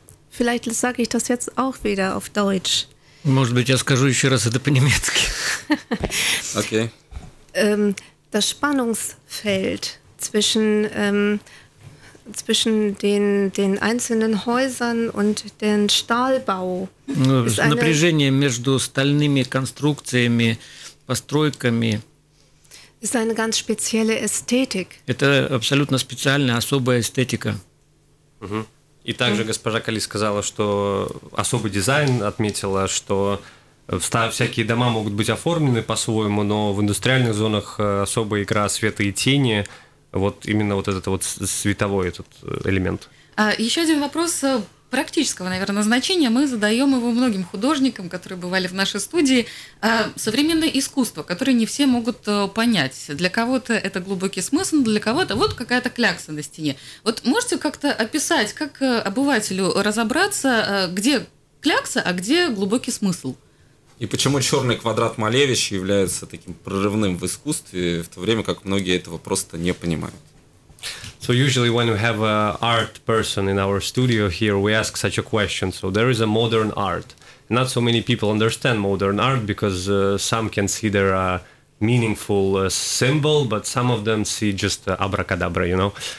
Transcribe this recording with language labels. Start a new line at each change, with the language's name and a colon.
German: Vielleicht sage ich das jetzt auch wieder auf Deutsch.
Russian: Может быть, я скажу еще раз это по-немецки. Okay.
German: Das Spannungsfeld zwischen den einzelnen Häusern und den Stahlbau.
Russian: Напряжение между стальными конструкциями, постройками.
German: Ist eine ganz spezielle Ästhetik.
Russian: Это абсолютно специальная, особая эстетика. Угу. И также госпожа Кали сказала, что особый дизайн отметила, что всякие дома могут быть оформлены по-своему, но в индустриальных зонах особая игра света и тени, вот именно вот этот вот световой этот элемент. Еще один вопрос практического, наверное, значения. Мы задаем его многим художникам, которые бывали в нашей студии. Современное искусство, которое не все могут понять. Для кого-то это глубокий смысл, для кого-то вот какая-то клякса на стене. Вот можете как-то описать, как обывателю разобраться, где клякса, а где глубокий смысл? И почему черный квадрат Малевича является таким прорывным в искусстве, в то время как многие этого просто не понимают?
English: So usually when we have an art person in our studio here, we ask such a question. So there is a modern art. Not so many people understand modern art because some can see there a meaningful symbol, but some of them see just abracadabra, you know.